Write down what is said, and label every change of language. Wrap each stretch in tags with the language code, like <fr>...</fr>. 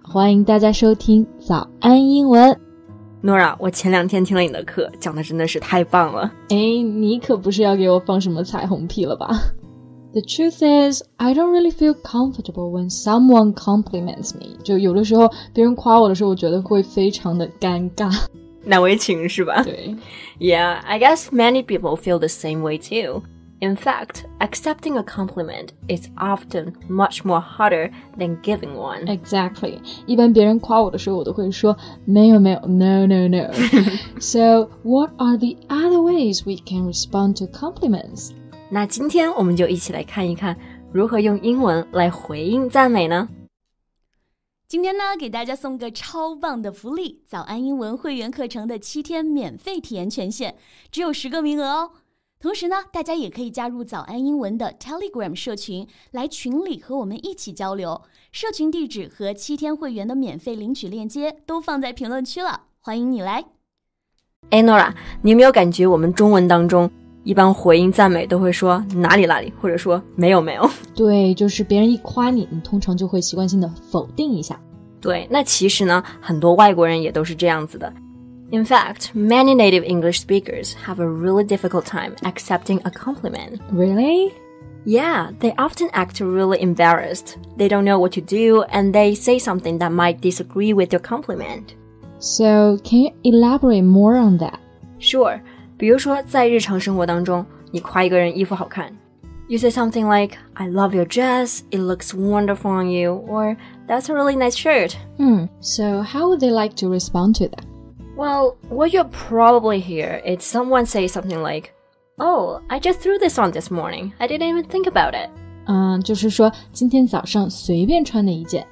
<zh>欢迎大家收听早安英文。 Nora, 我前两天听了你的课，讲的真的是太棒了。哎，你可不是要给我放什么彩虹屁了吧？</zh> <en>The truth is, I don't really feel comfortable when someone compliments me.</en> <zh>就有的时候别人夸我的时候，我觉得会非常的尴尬。难为情是吧？对。</zh> <en>Yeah, I guess many people feel the same way too. In fact, accepting a compliment is often much more harder than giving one. Exactly.</en> <zh>一般别人夸我的时候我都会说没有没有</zh> <en>no, no, no. So, what are the other ways we can respond to compliments?</en> <zh>那今天我们就一起来看一看如何用英文来回应赞美呢？今天呢，给大家送个超棒的福利，早安英文会员课程的七天免费体验权限，只有十个名额哦。同时呢，大家也可以加入早安英文的 Telegram 社群，来群里和我们一起交流。社群地址和七天会员的免费领取链接都放在评论区了，欢迎你来。哎 ，Nora， 你有没有感觉我们中文当中一般回应赞美都会说哪里哪里，或者说没有没有？对，就是别人一夸你，你通常就会习惯性的否定一下。对，那其实呢，很多外国人也都是这样子的。</zh> <en>In fact, many native English speakers have a really difficult time accepting a compliment. Really? Yeah, they often act really embarrassed. They don't know what to do, and they say something that might disagree with your compliment. So, can you elaborate more on that? Sure.</en> <zh>比如说在日常生活当中，你夸一个人衣服好看。</zh> <en>You say something like, I love your dress, it looks wonderful on you, or that's a really nice shirt. So how would they like to respond to that? Well, what you'll probably hear is someone say something like, Oh, I just threw this on this morning. I didn't even think about it.</en> <zh>就是说今天早上随便穿的一件。</zh>